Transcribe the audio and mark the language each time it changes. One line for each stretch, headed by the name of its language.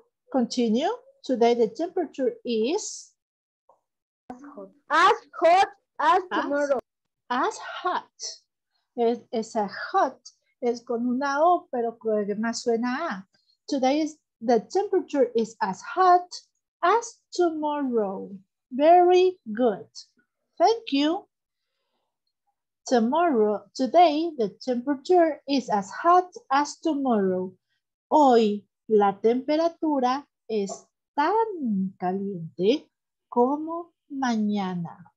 English: Continue. Today the temperature is as hot as tomorrow. As hot.
Spanish: Esa hot es con una O, pero que más suena a.
English: Today is the temperature is as hot as tomorrow. Very good. Thank you. Tomorrow, today the temperature is as hot as tomorrow.
Spanish: Hoy la temperatura es tan caliente como mañana.